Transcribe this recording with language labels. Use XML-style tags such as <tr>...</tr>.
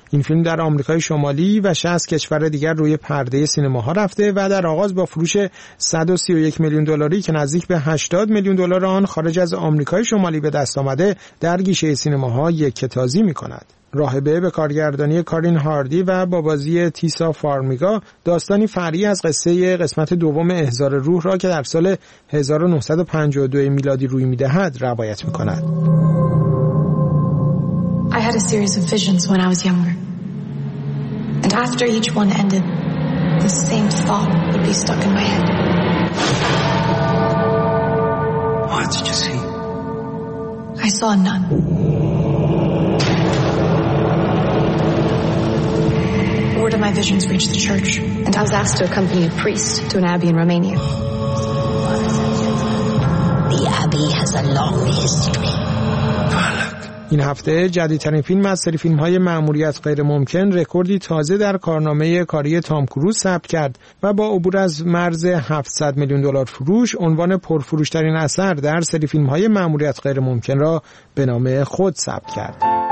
<fa>این فیلم در آمریکای شمالی و 60 کشور دیگر روی پرده سینماها رفته و در آغاز با فروش 131 میلیون دلاری که نزدیک به 80 میلیون دلار آن خارج از آمریکای شمالی به دست آمده در گیشه سینماها یکه‌تازی می‌کند. راهبه به کارگردانی کارین هاردی و با بازی تیسا فارمیگا داستانی فرعی از قصه قسمت دوم احضار روح را که در سال 1952 میلادی روی می‌دهد روایت می‌کند.</fa> <en>I had a series of visions when I was younger. And after each one ended, the same thought would be stuck in my head. What did you see? I saw none. Word of my visions reached the church, and I was asked to accompany a priest to an abbey in Romania. The abbey has a long history.</en> <fa>این هفته جدیدترین فیلم از سری فیلم‌های مأموریت غیرممکن رکوردی تازه در کارنامه کاری تام کروز ثبت کرد و با عبور از مرز 700 میلیون دلار فروش عنوان پرفروش‌ترین اثر در سری فیلم‌های مأموریت غیرممکن را به نام خود ثبت کرد.</fa>